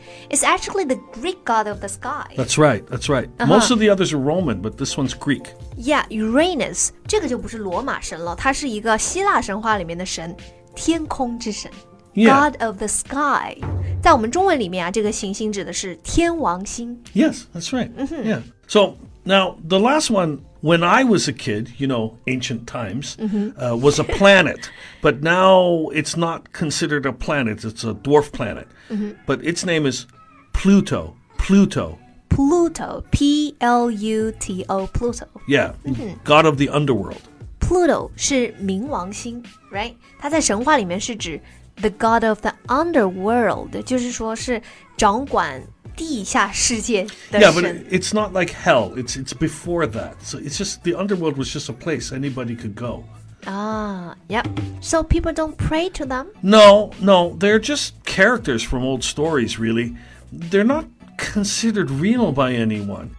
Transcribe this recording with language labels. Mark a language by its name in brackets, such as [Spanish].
[English] It's actually the Greek god of the sky. That's right. Uh-huh. Most of the others are Roman, but this one's Greek. Yeah, Uranus. [Chinese] 这个就不是罗马神了，它是一个希腊神话里面的神，天空之神。 [English] Yeah. God of the sky. [Chinese] 在我们中文里面啊，这个行星指的是天王星。 [English] Yes, that's right.、 Mm-hmm. Yeah. So, now, the last one... When I was a kid, you know, ancient times,、 mm-hmm. Was a planet. But now it's not considered a planet. It's a dwarf planet.、 Mm-hmm. But its name is Pluto. Pluto. Pluto. P-L-U-T-O. Pluto. Yeah.、 Mm-hmm. God of the underworld. [Chinese] Pluto 是冥王星 right? 它在神话里面是指 [English] the god of the underworld, [Chinese] 就是说是掌管地下世界的神。 [English] Yeah, but it's not like hell, it's before that. So it's just, the underworld was just a place anybody could go. Ah, yep. So people don't pray to them? No, they're just characters from old stories, really. They're notconsidered real by anyone.